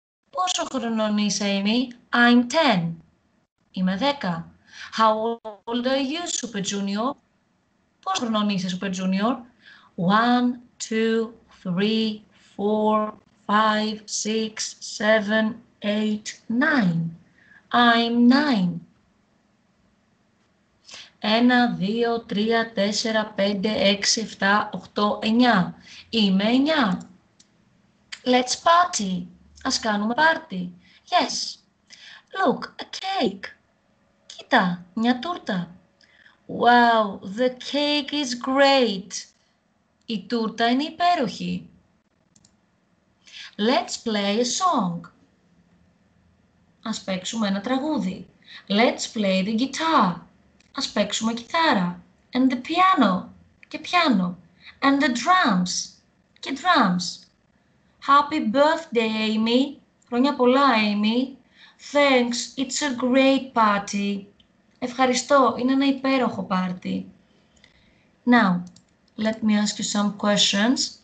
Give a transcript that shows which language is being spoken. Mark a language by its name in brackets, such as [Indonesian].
[Greek] Πόσο χρονών είσαι, Amy? [English] I'm 10. [Greek] Είμαι 10. [English] How old are you, Super Junior? [Greek] Πόσο χρονών είσαι, Super Junior? [English] 1, 2, 3, 4, 5, 6, 7, 8, 9. I'm 9. 1, 2, 3, 4, 5, 6, 7, 8, 9. [Greek] Είμαι 9. [English] Let's party. [Greek] Ας κάνουμε πάρτι. [English] Yes. Look, a cake. [Greek] Κοίτα, μια τούρτα. [English] Wow, the cake is great. [Greek] Η τούρτα είναι υπέροχη. [English] Let's play a song. [Greek] Ας παίξουμε ένα τραγούδι. [English] Let's play the guitar. [Greek] Ας παίξουμε κιθάρα. [English] And the piano. [Greek] Και πιάνο. [English] And the drums. [Greek] Και drums. [English] Happy birthday, Amy. [Greek] Χρόνια πολλά, Amy. [English] Thanks, it's a great party. [Greek] Ευχαριστώ, είναι ένα υπέροχο πάρτι. [English] Now, let me ask you some questions.